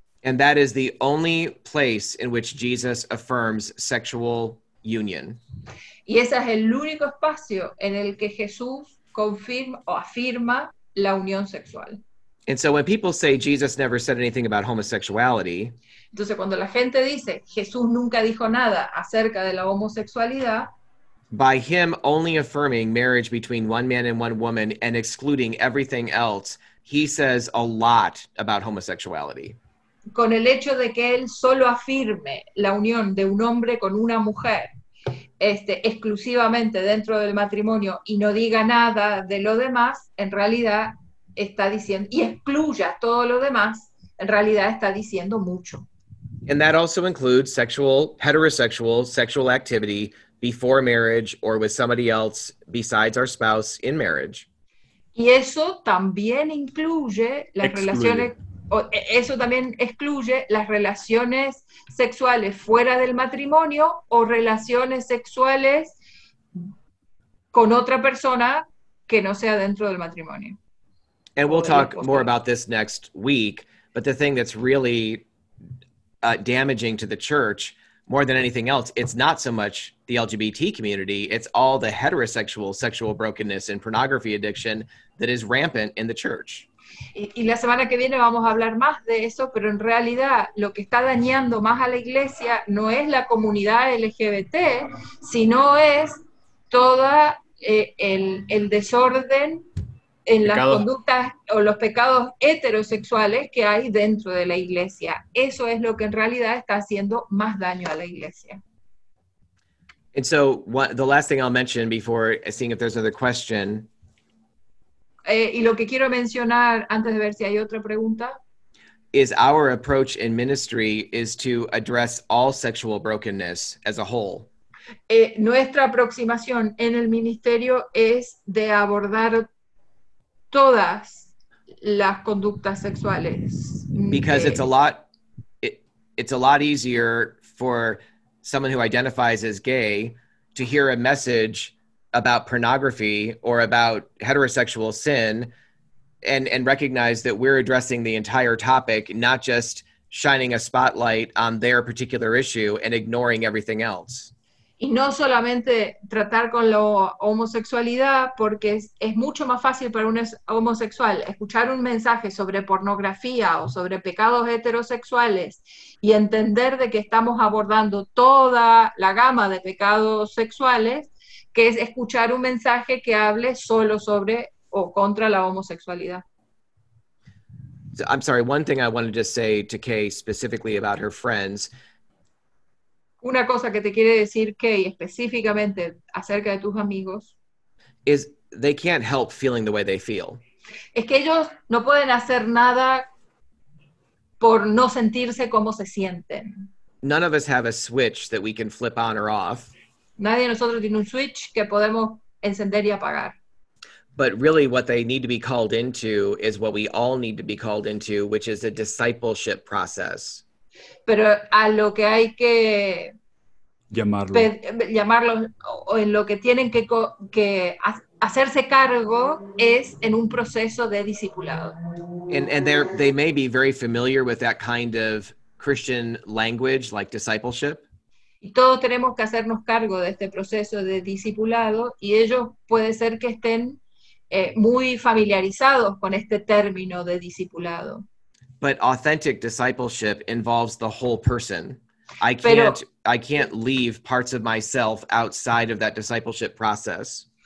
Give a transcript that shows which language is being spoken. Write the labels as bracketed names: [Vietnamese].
[English] And that is the only place in which Jesus affirms sexual union. [Spanish] Y ese es el único espacio en el que Jesús confirma o afirma la unión sexual. [English] And so when people say Jesus never said anything about homosexuality, [Spanish] entonces cuando la gente dice Jesús nunca dijo nada acerca de la homosexualidad, [English] by him only affirming marriage between one man and one woman and excluding everything else, he says a lot about homosexuality. [Spanish] Con el hecho de que él solo afirme la unión de un hombre con una mujer, exclusivamente dentro del matrimonio y no diga nada de lo demás, en realidad está diciendo, y excluya todo lo demás, en realidad está diciendo mucho. [English] And that also includes sexual, heterosexual, sexual activity before marriage or with somebody else besides our spouse in marriage. [Spanish] Y eso también incluye las eso también excluye las relaciones sexuales fuera del matrimonio o relaciones sexuales con otra persona que no sea dentro del matrimonio. [English] And we'll talk more about this next week, but the thing that's really damaging to the church more than anything else, it's not so much the LGBT community, it's all the heterosexual sexual brokenness and pornography addiction that is rampant in the church. [Spanish] Y la semana que viene vamos a hablar más de eso, pero en realidad lo que está dañando más a la iglesia no es la comunidad LGBT, sino es todo el desorden en las conductas o los pecados heterosexuales que hay dentro de la iglesia. Eso es lo que en realidad está haciendo más daño a la iglesia. [English] And so, the last thing I'll mention before seeing if there's another question. [Spanish] Y lo que quiero mencionar antes de ver si hay otra pregunta. [English] Is our approach in ministry is to address all sexual brokenness as a whole. [Spanish] Nuestra aproximación en el ministerio es de abordar todas las conductas sexuales. [English] Because it's a lot easier for someone who identifies as gay to hear a message about pornography or about heterosexual sin and recognize that we're addressing the entire topic, not just shining a spotlight on their particular issue and ignoring everything else. [Spanish] Y no solamente tratar con la homosexualidad, porque es mucho más fácil para un homosexual escuchar un mensaje sobre pornografía o sobre pecados heterosexuales y entender de que estamos abordando toda la gama de pecados sexuales, que es escuchar un mensaje que hable solo sobre o contra la homosexualidad. [English] I'm sorry, one thing I wanted to say to Kay specifically about her friends. [Spanish] Una cosa que te quiere decir Kay específicamente acerca de tus amigos [English] is they can't help feeling the way they feel. [Spanish] Es que ellos no pueden hacer nada por no sentirse como se sienten. [English] None of us have a switch that we can flip on or off. [Spanish] Nadie de nosotros tiene un switch que podemos encender y apagar. [English] But really what they need to be called into is what we all need to be called into, which is a discipleship process. [Spanish] Pero a lo que hay que llamarlo. Llamarlos o en lo que tienen que hacerse cargo es en un proceso de discipulado. [English] And they may be very familiar with that kind of Christian language, like discipleship. [Spanish] Y todos tenemos que hacernos cargo de este proceso de discipulado, y ellos puede ser que estén muy familiarizados con este término de discipulado. [English] But authentic discipleship involves the whole person. I can't leave parts of myself outside of that discipleship process.